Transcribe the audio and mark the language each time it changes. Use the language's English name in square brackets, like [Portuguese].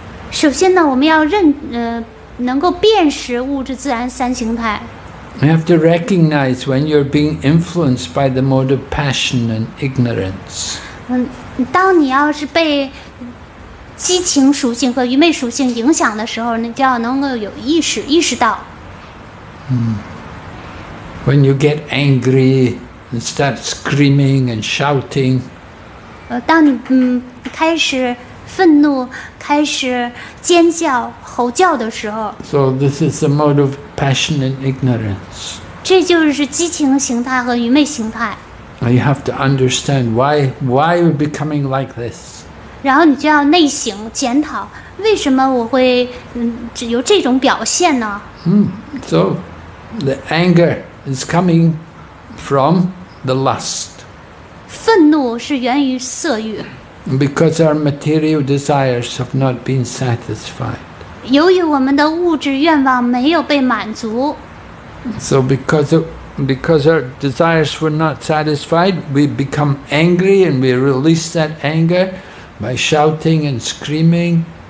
[Chinese] 首先呢，我们要能够辨识物质自然三形态。 [English] You have to recognize when you're being influenced by the mode of passion and ignorance. [Chinese] 当你要是被激情属性和愚昧属性影响的时候，你就要能够有意识到。 [English] When you get angry and start screaming and shouting. [Chinese] 当你开始 愤怒, 开始尖叫, 吼叫的时候, [English] so this is the mode of passion and ignorance. [Chinese] 这就是激情形态和愚昧形态。 [English] You have to understand why you're becoming like this. [Chinese] 然后你就要内省, 检讨, 为什么我会, 有这种表现呢? [English] So the anger is coming from the lust. [Chinese] 愤怒是源于色欲。 [English] Because our material desires have not been satisfied. [Chinese] 由于我们的物质愿望没有被满足。 [English] So because our desires were not satisfied, we become angry and we release that anger by shouting and screaming.